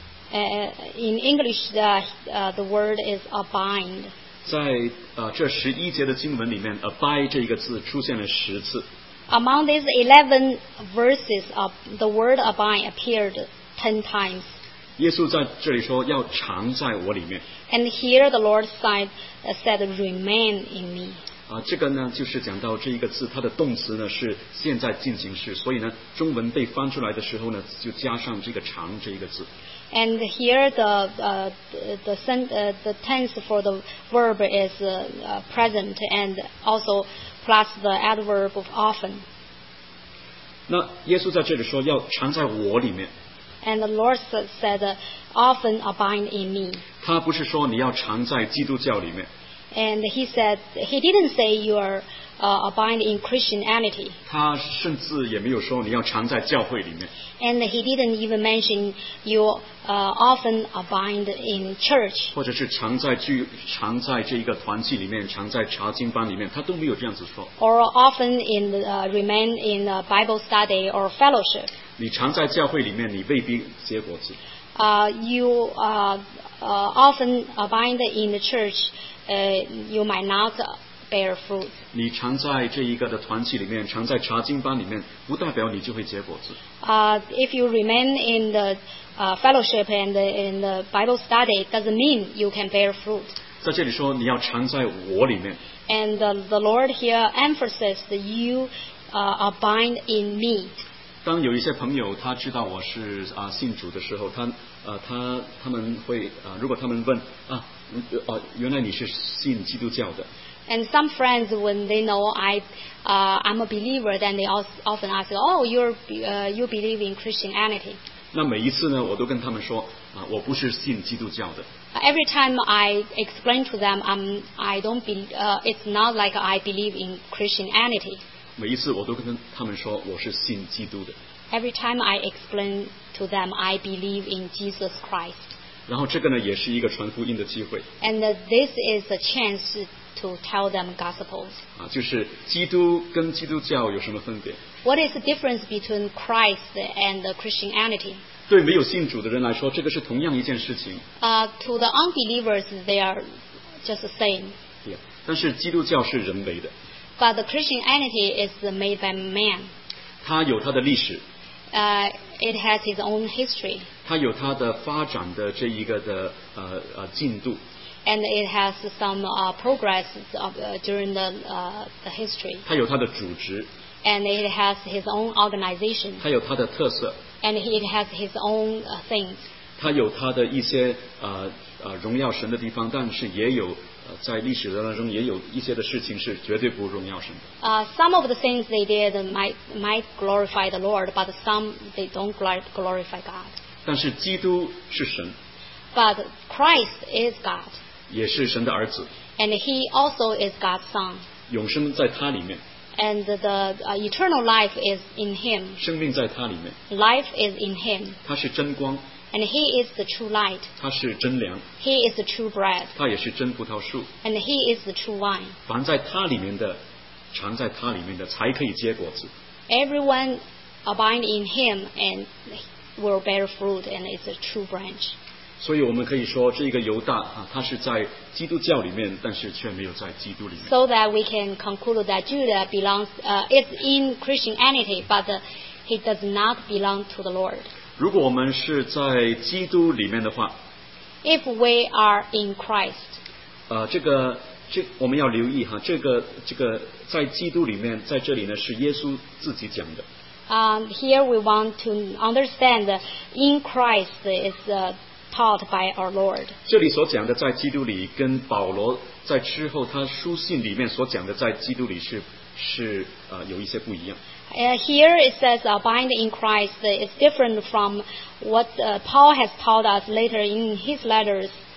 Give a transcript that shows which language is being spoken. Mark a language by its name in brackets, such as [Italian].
[English] In English, the word is abide. [Chinese] 在这十一节的经文里面 abide 这一个字出现了十次。 [English] Among these 11 verses, the word abide appeared 10 times. [Chinese] 耶稣在这里说要常在我里面。 [English] And here the Lord said remain in me. [Chinese] 这个呢就是讲到这一个字它的动词呢是现在进行式，所以呢中文被翻出来的时候呢就加上这个常这一个字。 [English] And here the tense for the verb is present and also plus the adverb of often. [Chinese] 那耶稣在这里说要常在我里面。 [English] And the Lord said, often abide in me. [Chinese] 他不是说你要常在基督教里面。 [English] And he said, he didn't say you are abide in Christianity. [Chinese] 他甚至也没有说你要常在教会里面。 [English] And he didn't even mention you often abide in church. [Chinese] 或者是常在这一个团契里面，常在查经班里面，他都没有这样子说。 [English] Or often in remain in a Bible study or fellowship. [Chinese] 你常在教会里面，你未必结果子。 [English] You often abide in the church, you might not bear fruit. [Chinese] 你常在这一个的团契里面，常在查经班里面，不代表你就会结果子。 [English] If you remain in the fellowship and in the Bible study, doesn't mean you can bear fruit. [Chinese] 在这里说你要常在我里面。 [English] And the Lord here emphasized that you abide in me. [Chinese] 当有一些朋友他知道我是信主的时候，他们会如果他们问原来你是信基督教的。 [English] And some friends, when they know I'm a believer, then they often ask, "Oh, you believe in Christianity?" [Chinese] 那每一次呢，我都跟他们说我不是信基督教的。 [English] Every time I explain to them, it's not like I believe in Christianity. [Chinese] 每一次我都跟他们说我是信基督的。 [English] Every time I explain to them, I believe in Jesus Christ. [Chinese] 然后这个呢，也是一个传福音的机会。 [English] And this is a chance to tell them gospels. [Chinese] 就是基督跟基督教有什么分别？ [English] What is the difference between Christ and Christianity? [Chinese] 对没有信主的人来说，这个是同样一件事情。 [English] To the unbelievers, they are just the same. [Chinese] Yeah, 但是基督教是人为的。 [English] But the Christianity is made by man. [Chinese] 它有它的历史。 [English] It has its own history. [Chinese] 它有它的发展的这一个的进度。 [English] And it has some progress during the history. [Chinese] 它有它的组织。 [English] And it has his own organization. [Chinese] 它有它的特色。 [English] And it has his own things. [Chinese] 它有它的一些荣耀神的地方，但是也有在历史当中也有一些的事情是绝对不荣耀神的。 [English] Some of the things they did might glorify the Lord, but some they don't glorify God. [Chinese] 但是基督是神。 [English] But Christ is God. [Chinese] 也是神的儿子。 [English] And he also is God's son. [Chinese] 永生在他里面。 [English] And the eternal life is in him. [Chinese] 生命在他里面。 [English] Life is in him. [Chinese] 他是真光。 [English] And he is the true light. [Chinese] 他是真粮。 [English] He is the true bread. [Chinese] 他也是真葡萄树。 [English] And he is the true wine. [Chinese] 凡在他里面的，常在他里面的，才可以结果子。 [English] Everyone abide in him and will bear fruit and is a true branch. [Chinese] 所以我们可以说，这个犹大他是在基督教里面，但是却没有在基督里面。 [English] So that we can conclude that Judah belongs, is in Christianity, but he does not belong to the Lord. [Chinese] 如果我们是在基督里面的话， [English] If we are in Christ, [Chinese] 我们要留意哈，这个在基督里面，在这里呢是耶稣自己讲的。 [English] Here we want to understand in Christ is taught by our Lord. [Chinese] 这里所讲的在基督里，跟保罗在之后他书信里面所讲的在基督里是有一些不一样。 [English] Here it says abide in Christ is different from what Paul has taught us later in his letters.